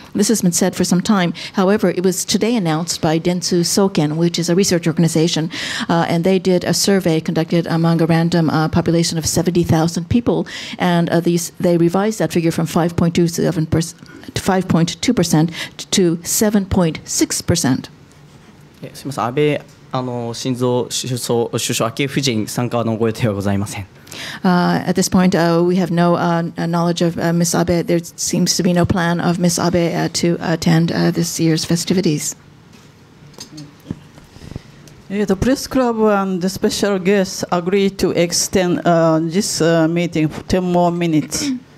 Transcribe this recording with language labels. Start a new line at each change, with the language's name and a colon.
English: This has been said for some time. However, it was today announced by Dentsu Soken, which is a research organization, and they did a survey conducted among a random population of 70,000 people, and they revised that figure from 5.2% to 7.6%.
Japanese: すみません、安倍晋三首相、昭恵夫人参加のご予定はございません。
English: At this point, we have no knowledge of Ms. Abe. There seems to be no plan of Ms. Abe to attend this year's festivities. The press club and the special guests agreed to extend this meeting for 10 more minutes.